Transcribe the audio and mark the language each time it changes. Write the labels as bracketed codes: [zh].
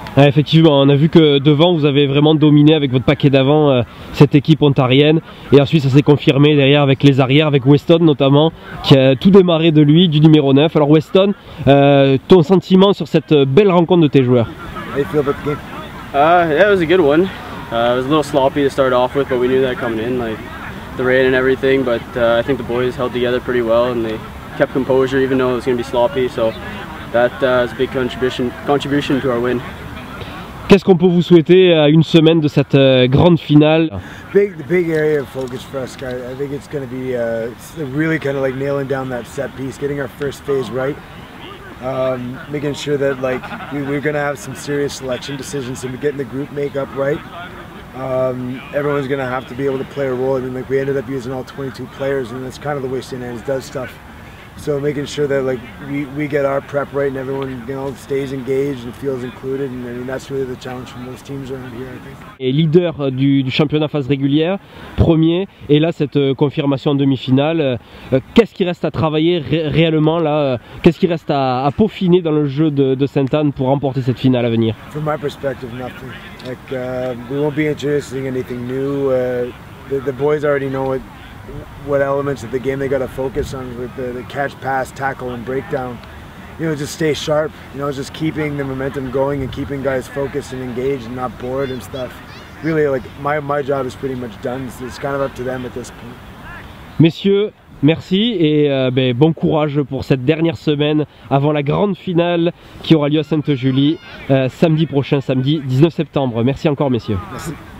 [fr] Ah, effectivement, on a vu que devant, vous avez vraiment dominé avec votre paquet d'avant cette équipe ontarienne. Et ensuite, ça s'est confirmé derrière avec les arrières, avec Weston notamment, qui a tout démarré de lui, du numéro 9. Alors Weston, ton sentiment sur cette belle rencontre de tes joueurs? [en] How you feel about the game? It was a good one. It was a little sloppy to start off with, but we knew that coming in, like the rain and everything. But I think the boys held together pretty well and they kept composure even though it was going to be sloppy. So that is a big contribution to our win. [fr] Qu'est-ce qu'on peut vous souhaiter à une semaine de cette grande finale? [en] The big area of focus for us, guys. I think it's going to be really kind of like nailing down that set piece, getting our first phase right, making sure that like we're going to have some serious selection decisions and getting the group makeup right. Everyone's going to have to be able to play a role. I mean, like we ended up using all 22 players, and that's kind of the way St. Anne's does stuff. So making sure that like we get our prep right and everyone, you know, stays engaged and feels included, and I mean that's really the challenge for most teams around here, I think. [fr] Et leader du championnat phase régulière, premier, et là cette confirmation en demi-finale, qu'est-ce qui reste à travailler réellement là, qu'est-ce qui reste à peaufiner dans le jeu de Sainte-Anne pour remporter cette finale à venir? [en] From my perspective, nothing. Like we won't be introducing anything new. The boys already know it. What elements of the game they got to focus on with the catch, pass, tackle, and breakdown. You know, just stay sharp. You know, just keeping the momentum going and keeping guys focused and engaged and not bored and stuff. Really, like my job is pretty much done. So it's kind of up to them at this point. [fr] Messieurs, merci et bon courage pour cette dernière semaine avant la grande finale qui aura lieu à Sainte-Julie samedi prochain, samedi 19 septembre. Merci encore, messieurs. Merci.